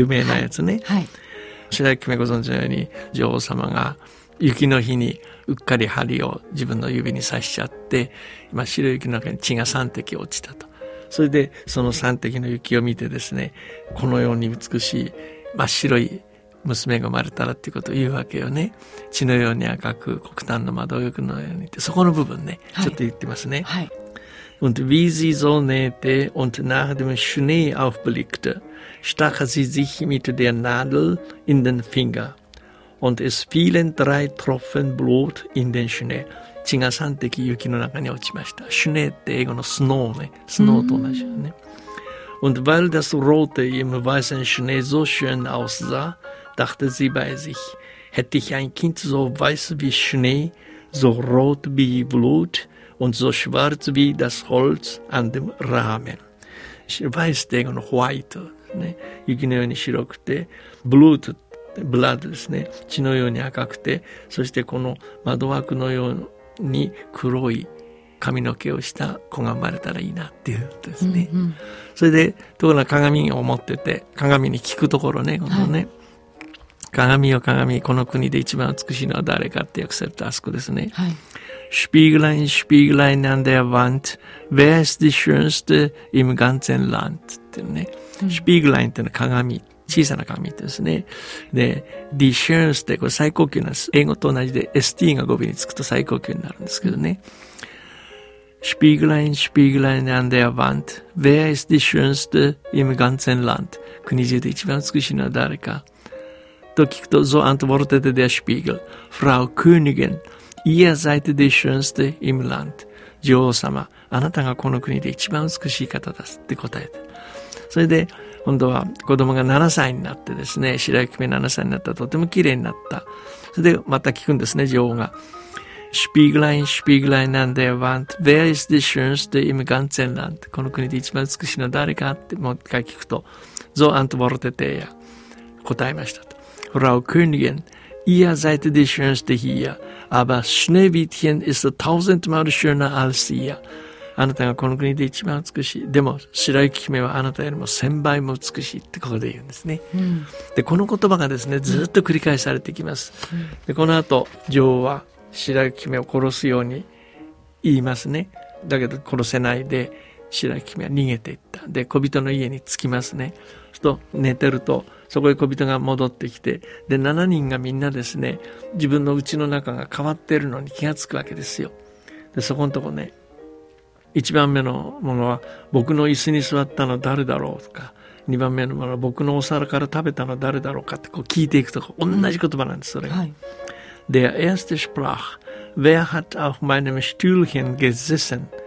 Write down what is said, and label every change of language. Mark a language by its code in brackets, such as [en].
[ja] 有名なやつね、白雪姫、ご存知のように女王様が雪の日にうっかり針を自分の指に刺しちゃって、今白雪の中に血が3滴落ちたと。それでその3滴の雪を見てですね、このように美しい真っ白い娘が生まれたらっていうことを言うわけよね。血のように赤く黒炭の窓浴のようにって、そこの部分ね、ちょっと言ってますね、 [de] Und wie sie so nähte und nach dem Schnee aufblickte, stach sie sich mit der Nadel in den Finger. Und es fielen drei Tropfen Blut in den Schnee. [ja] 血が3滴雪の中に落ちました。Schnee って英語のスノーね。スノーと同じよね。 [de] Und weil das Rote im weißen Schnee so schön aussah, dachte sie bei sich, hätte ich ein Kind so weiß wie Schnee, so rot wie Blut und so schwarz wie das Holz an dem Rahmen. [ja] Weiß って英語の white、ね、雪のように白くて、Blut ってブラッドですね、血のように赤くて、そしてこの窓枠のように黒い髪の毛をした子が生まれたらいいなっていうことですね、それでところが鏡を持ってて、鏡に聞くところね、このね、鏡よ鏡、この国で一番美しいのは誰かって訳するとあそこですね、スピーグライン、スピーグライン [de] an der Wand, wer ist die schönste im ganzen Land [ja] っていうね、スピーグラインっていうのは鏡、小さな鏡ってですね。で、ディシュンスってこれ最高級なんです。英語と同じで ST が語尾につくと最高級になるんですけどね。 [de] スピーグライン、スピーグライン an der Wand, wer ist die schönste im ganzen Land? [ja] 国中で一番美しいのは誰か。と聞くと、 [de] so antwortete der Spiegel, Frau Königin, ihr seid die schönste im Land. [ja] 女王様、あなたがこの国で一番美しい方だって答えた。それで、今度は子供が7歳になってですね、白雪姫7歳になったらとても綺麗になった。それでまた聞くんですね、女王が。 [de] スピーグライン、スピーグライン an der Wand, wer ist die schönste im ganzen Land? [ja] この国で一番美しいのは誰かってもう一回聞くと、 [de] so antwortete er, [ja] 答えましたと。 [de] Frau Königin, ihr seid die schönste hier, aber Schneewittchen ist tausendmal schöner als ihr. [ja] あなたがこの国で一番美しい、でも白雪姫はあなたよりも千倍も美しいってここで言うんですね、でこの言葉がですね、ずっと繰り返されてきます、でこの後女王は白雪姫を殺すように言いますね。だけど殺せないで白雪姫は逃げていった。で小人の家に着きますね。ちょっと寝てると、そこへ小人が戻ってきて、で7人がみんなですね、自分の家の中が変わってるのに気がつくわけですよ。でそこのとこね、一番目のものは僕の椅子に座ったの誰だろうとか、二番目のものは僕のお皿から食べたの誰だろうかってこう聞いていくと、同じ言葉なんです、それが。 [de] Der erste sprach, wer hat auf meinem Stühlchen gesessen?